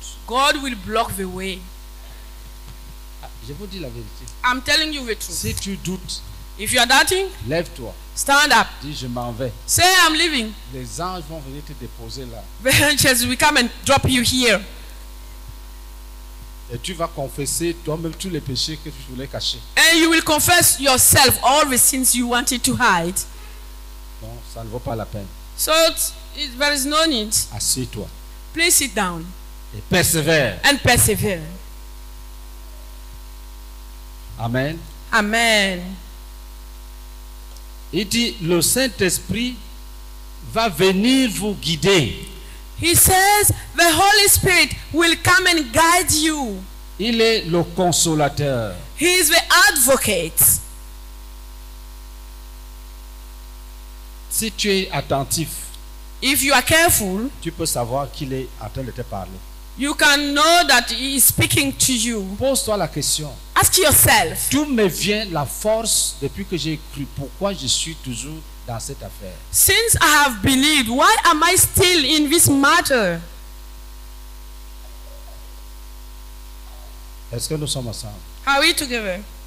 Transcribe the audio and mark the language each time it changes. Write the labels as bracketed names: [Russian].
[English] God will block the way. [French] Je vous dis la vérité. [English] I'm telling you the truth. [French] Si tu doutes, [English] if you are doubting, [French] lève-toi. [English] Stand up. [French] Dis, je m'en vais. [English] Say, I'm leaving. [French] Les anges vont venir te déposer là. [English] The angels will come and drop you here. [French] Et tu vas confesser toi-même tous les péchés que tu voulais cacher. [English] And you will confess yourself all the sins you wanted to hide. [French] Non, ça ne vaut pas la peine. [English] So there is no need. [French] Assieds-toi. [English] Please sit down. [French] Et persévère. [English] And persevere. [French] Amen. [English] Amen. [French] Il dit, le Saint-Esprit va venir vous guider. [English] He says the Holy Spirit will come and guide you. [French] Il est le consolateur. [English] He is the advocate. [French] Si tu es attentif, [English] if you are careful, [French] tu peux savoir qu'il est en train de te parler. [English] You can know that he is speaking to you. [French] Pose-toi la question. [English] Ask yourself. [French] D'où me vient la force depuis que j'ai cru? Pourquoi je suis toujours dans cette affaire? [English] Since I have believed, why am I still in this matter? [French] Est-ce que nous sommes ensemble? [English] Are we together?